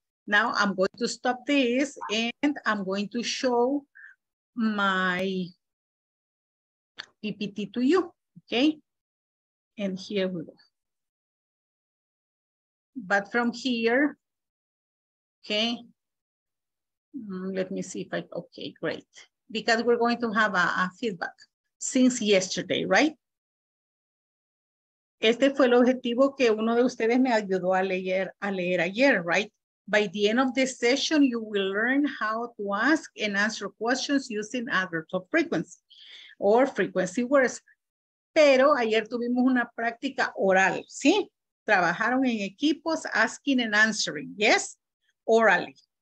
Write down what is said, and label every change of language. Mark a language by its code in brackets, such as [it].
[en] Now I'm going to stop this and I'm going to show my PPT to you. Okay? And here we go. But from here, okay, let me see if I, okay, great. Because we're going to have a feedback since yesterday, right? [es] Este fue el objetivo que uno de ustedes me ayudó a leer ayer, right? [en] By the end of this session, you will learn how to ask and answer questions using adverbs of frequency or frequency words. [es] Pero ayer tuvimos una práctica oral, ¿sí? Trabajaron en equipos [en] asking and answering, yes, orally.